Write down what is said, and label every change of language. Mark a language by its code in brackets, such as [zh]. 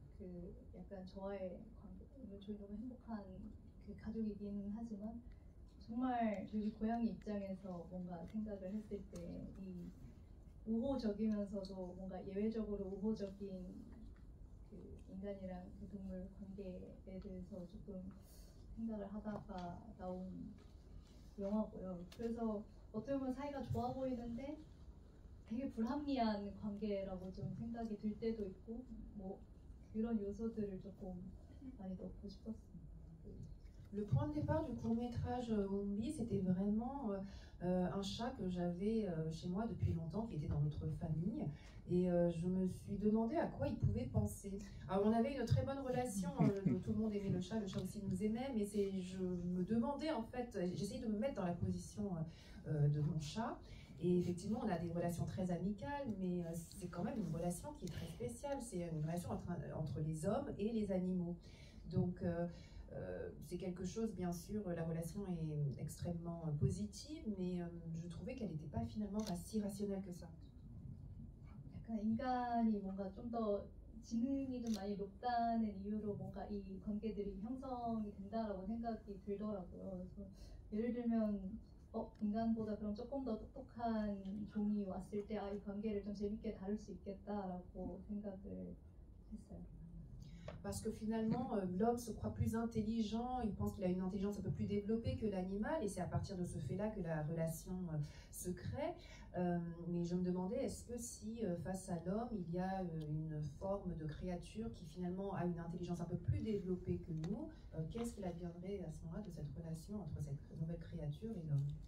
[ko] 그 약간 저와의 관계, 저희 너무 행복한 그 가족이긴 하지만 정말 저희 고양이 입장에서 뭔가 생각을 했을 때 이 우호적이면서도 뭔가 예외적으로 우호적인 그 인간이랑 그 동물 관계에 대해서 조금 생각을 하다가 나온 영화고요. 그래서 어떻게 보면 사이가 좋아 보이는데 되게 불합리한 관계라고 좀 생각이 들 때도 있고 뭐 그런 요소들을 조금 많이 넣고 싶었습니다. [fr] Le point de départ du court-métrage Oumbi, c'était vraiment un chat que j'avais chez moi depuis longtemps, qui était dans notre famille. Et je me suis demandé à quoi il pouvait penser. Alors, on avait une très bonne relation, tout le monde aimait le chat aussi nous aimait. Mais je me demandais, en fait, j'essayais de me mettre dans la position de mon chat. Et effectivement, on a des relations très amicales, mais c'est quand même une relation qui est très spéciale. C'est une relation entre les hommes et les animaux. Donc, c'est quelque chose, bien sûr, la relation est extrêmement positive, mais je trouvais qu'elle n'était pas finalement si rationnelle que ça. [ko] 약간 인간이 뭔가 좀 더 지능이 좀 많이 높다는 이유로 뭔가 이 관계들이 형성이 된다라고 생각이 들더라고요. 그래서 예를 들면 인간보다 그럼 조금 더 똑똑한 종이 왔을 때 아, 이 관계를 좀 재밌게 다룰 수 있겠다라고 생각을 했어요. [fr] Parce que finalement, l'homme se croit plus intelligent, il pense qu'il a une intelligence un peu plus développée que l'animal, et c'est à partir de ce fait-là que la relation se crée. Mais je me demandais, est-ce que si face à l'homme, il y a une forme de créature qui finalement a une intelligence un peu plus développée que nous, qu'est-ce qu'il adviendrait à ce moment-là de cette relation entre cette nouvelle créature et l'homme?